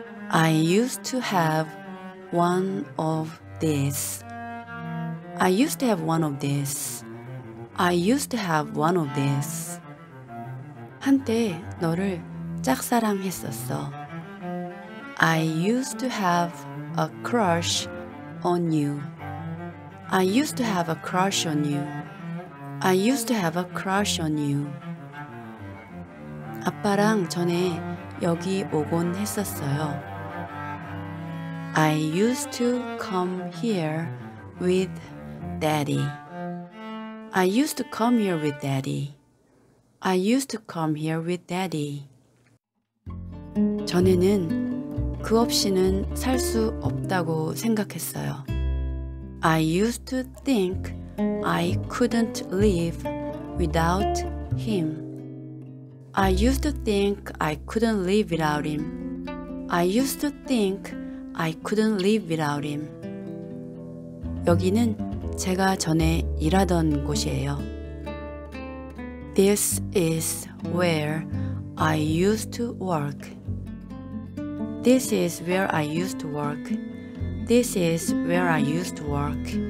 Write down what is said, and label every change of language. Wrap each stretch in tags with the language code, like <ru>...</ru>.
<en>I used to have one of this. I used to have one of this. I used to have one of this.</en> <ko>한때 너를 짝사랑했었어.</ko> <en>I used to have a crush on you. I used to have a crush on you. I used to have a crush on you.</en> <ko>아빠랑 전에 여기 오곤 했었어요.</ko> <en>I used to come here with daddy. I used to come here with daddy. I used to come here with daddy.</en> <ko>전에는 그 없이는 살 수 없다고 생각했어요.</ko> <en>I used to think I couldn't live without him. I used to think I couldn't live without him. I used to think I couldn't live without him.</en> <ko>여기는 제가 전에 일하던 곳이에요.</ko> <en>This is where I used to work. This is where I used to work. This is where I used to work.</en>